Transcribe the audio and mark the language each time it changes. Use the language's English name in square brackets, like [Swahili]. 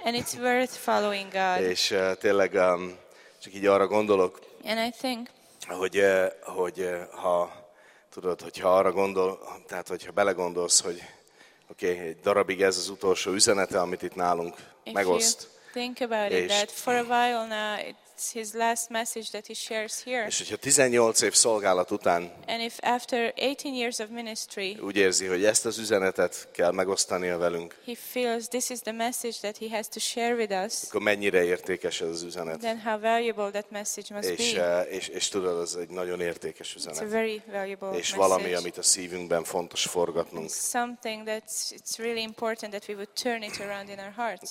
[English] And it's worth following God. [Hungarian] És tényleg csak így arra gondolok, [English] and I think, [Hungarian] hogy ha tudod, hogyha arra gondol, tehát hogyha belegondolsz, hogy oké, okay, egy darabig ez az utolsó üzenete, amit itt nálunk [English] if [Hungarian] megoszt. [English] Think about it, that for a while now it's his last message that he shares here. [Hungarian] És hogyha 18 év szolgálat után, [English] and if after 18 years of ministry, [Hungarian] úgy érzi, hogy ezt az üzenetet kell megosztania velünk. [English] He feels this is the message that he has to share with us. [Hungarian] Akkor mennyire értékes ez az üzenet? [English] Then how valuable that message must [Hungarian] és, [English] be. [Hungarian] És tudod, ez egy nagyon értékes üzenet. [English] It's a very valuable [Hungarian] és [English] message. [Hungarian] Valami, amit a szívünkben fontos forgatnunk. [English] Something that it's really important that we would turn it around in our hearts.